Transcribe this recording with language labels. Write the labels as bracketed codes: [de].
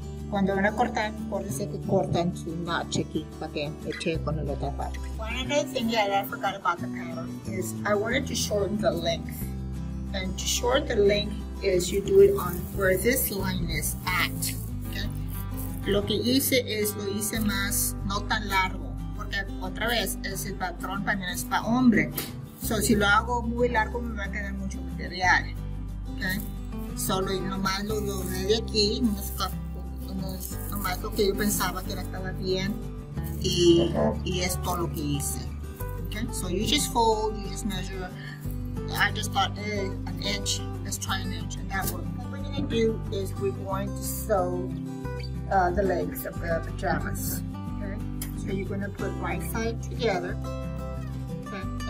[es] Cuando van a cortar, acuérdense que cortan su notch aquí para que eche con el otra parte. [en] One other thing that I forgot about the pattern is I wanted to shorten the length. And to shorten the length is you do it on where this line is at. [es] Lo que hice es lo hice más, no tan largo, porque otra vez es el patrón también es para hombre. So, si lo hago muy largo, me va a quedar mucho material. Okay? Solo y nomás lo doblé de aquí, nomás lo que yo pensaba que era estaba bien, y es todo lo que hice. [en] Okay? So, you just fold, you just measure. I just thought, an inch, let's try an inch, and that worked. What we're going to do is we're going to sew. The legs of the pajamas. Okay, so you're going to put right side together, okay?